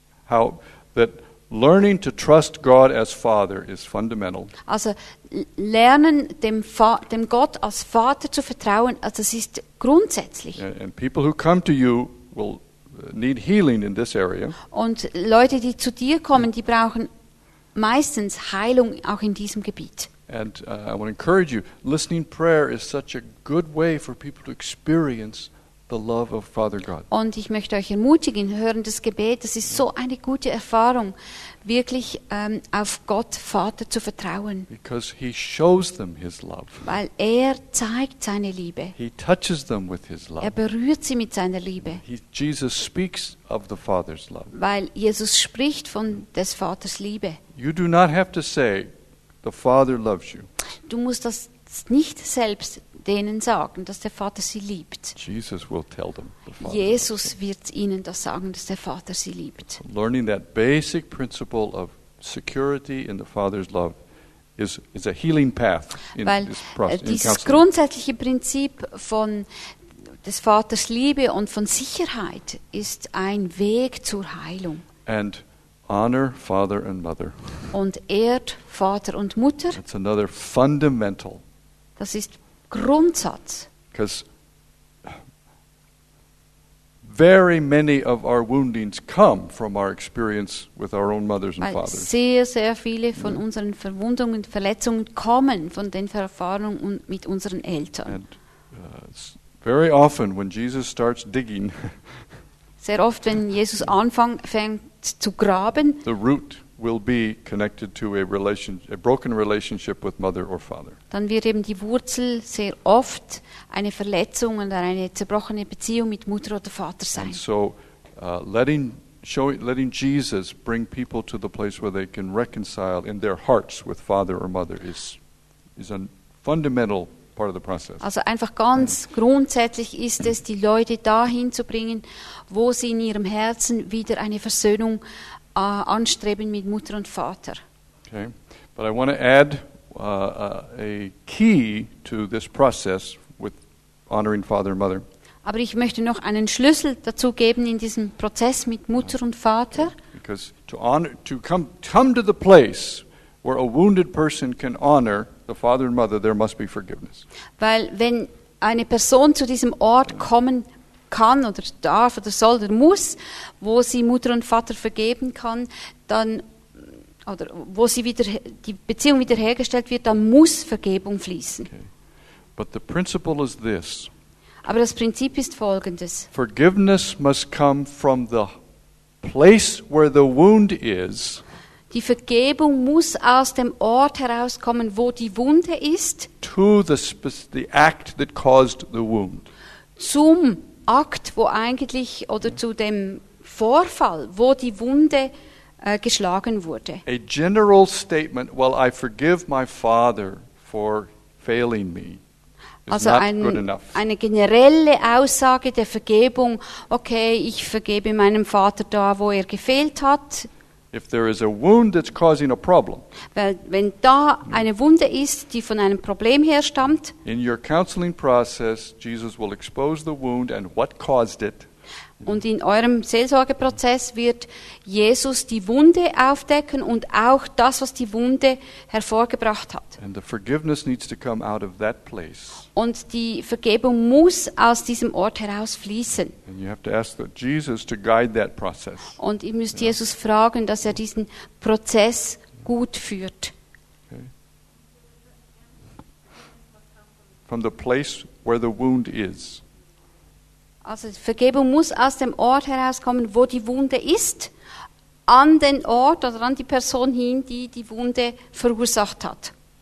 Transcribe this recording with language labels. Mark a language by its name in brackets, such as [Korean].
[English] How that learning to trust God as Father is fundamental. [German] Also lernen dem Gott als Vater zu vertrauen, also das ist grundsätzlich. [English] And people who come to you will need healing in this area. [German] Und Leute, die zu dir kommen, die brauchen meistens Heilung auch in diesem Gebiet. [English] And I want to encourage you, listening prayer is such a good way for people to experience the love of Father God. [German] Und ich möchte euch ermutigen, hörendes Gebet, das ist so eine gute Erfahrung, wirklich auf Gott Vater zu vertrauen. [English] Because he shows them his love. [German] Weil er zeigt seine Liebe. [English] He touches them with his love. [German] Er berührt sie mit seiner Liebe. [English] Jesus speaks of the Father's love. [German] Weil Jesus spricht von des Vaters Liebe. [English] You do not have to say the Father loves you. [German] Du musst das nicht selbst denen sagen, dass der Vater sie liebt. [English] Jesus will tell them. [German] Jesus wird ihnen das sagen, dass der Vater sie liebt. [English] Learning that basic principle of security in the Father's love is a healing path in this process. [German] Weil dieses grundsätzliche Prinzip von des Vaters Liebe und von Sicherheit ist ein Weg zur Heilung. [English] And honor father and mother. [German] Und ehrt Vater und Mutter. [English] That's another fundamental. [German] Das ist Grundsatz. [English] Because very many of our woundings come from our experience with our own mothers and fathers. [German] Sehr, sehr viele von unseren Verwundungen und Verletzungen kommen von den Erfahrungen mit unseren Eltern. [English] And, very often when Jesus starts digging, [German] sehr oft, wenn Jesus anfängt zu graben, [English] the root will be connected to a broken relationship with mother or father. [German] Dann wird eben die Wurzel sehr oft eine Verletzung oder eine zerbrochene Beziehung mit Mutter oder Vater sein. [English] And so letting Jesus bring people to the place where they can reconcile in their hearts with father or mother is a fundamental part of the process. [German] Also einfach ganz grundsätzlich ist es, die Leute dahin zu bringen, wo sie in ihrem Herzen wieder eine Versöhnung anstreben mit Mutter und Vater. [English] Okay. But I want to add a key to this process with honoring father and mother. [German] Aber ich möchte noch einen Schlüssel dazu geben in diesem Prozess mit Mutter und Vater. [English] Because to come to the place where a wounded person can honor the father and mother, there must be forgiveness. [German] Weil wenn eine Person zu diesem Ort kommen kann oder darf oder soll oder muss, wo sie Mutter und Vater vergeben kann, dann oder wo sie wieder die Beziehung wiederhergestellt wird, dann muss Vergebung fließen. [English] Okay. But the principle is this. [German] Aber das Prinzip ist folgendes. [English] Forgiveness must come from the place where the wound is. [German] Die Vergebung muss aus dem Ort herauskommen, wo die Wunde ist. [English] To the act that caused the wound. [German] Zum Akt, wo eigentlich, oder zu dem Vorfall, wo die Wunde geschlagen wurde. [English] A general statement, well, I forgive my father for failing me. [German] Also eine generelle Aussage der Vergebung, okay, ich vergebe meinem Vater da, wo er gefehlt hat. [English] If there is a wound that's causing a problem. [German] Weil wenn da eine Wunde ist, die von einem Problem herstammt. [English] In your counseling process, Jesus will expose the wound and what caused it. [German] Und in eurem Seelsorgeprozess wird Jesus die Wunde aufdecken und auch das, was die Wunde hervorgebracht hat. [English] And the forgiveness needs to come out of that place. [German] Und die Vergebung muss aus diesem Ort herausfließen. [English] And you have to ask Jesus to guide that process. [German] Und ihr müsst Jesus fragen, dass er diesen Prozess gut führt. [English] Okay. From the place where the wound is. [German] Also Vergebung muss aus dem Ort herauskommen, wo die Wunde ist, an den Ort oder an die Person hin, die die Wunde verursacht hat.